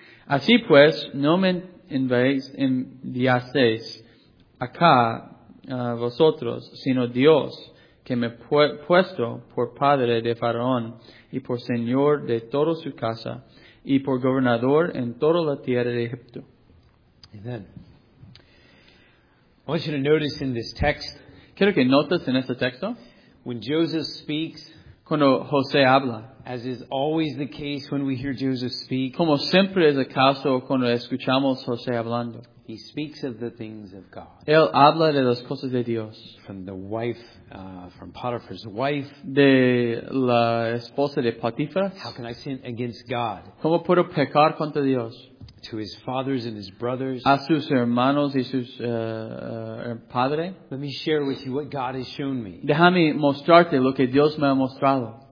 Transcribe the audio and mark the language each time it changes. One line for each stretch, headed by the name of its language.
Spanish: Así pues, no me enviaseis acá vosotros, sino Dios, que me puesto por padre de Faraón y por señor de toda su casa y por gobernador en toda la tierra de Egipto. Amen.
English: I want you to notice in this text,
Spanish: quiero que notes en este texto,
English: when Joseph speaks,
Spanish: cuando José habla,
English: as is always the case when we hear Joseph speak,
Spanish: como siempre es el caso cuando escuchamos José hablando,
English: he speaks of the things of God.
Spanish: Él habla de las cosas de Dios.
English: From the wife, from Potiphar's wife.
Spanish: De la esposa de Potiphar.
English: How can I sin against God?
Spanish: ¿Cómo puedo pecar contra Dios?
English: To his fathers and his brothers.
Spanish: A sus hermanos y sus padres.
English: Let me share with you what God has shown me.
Spanish: Déjame mostrarte lo que Dios me ha mostrado.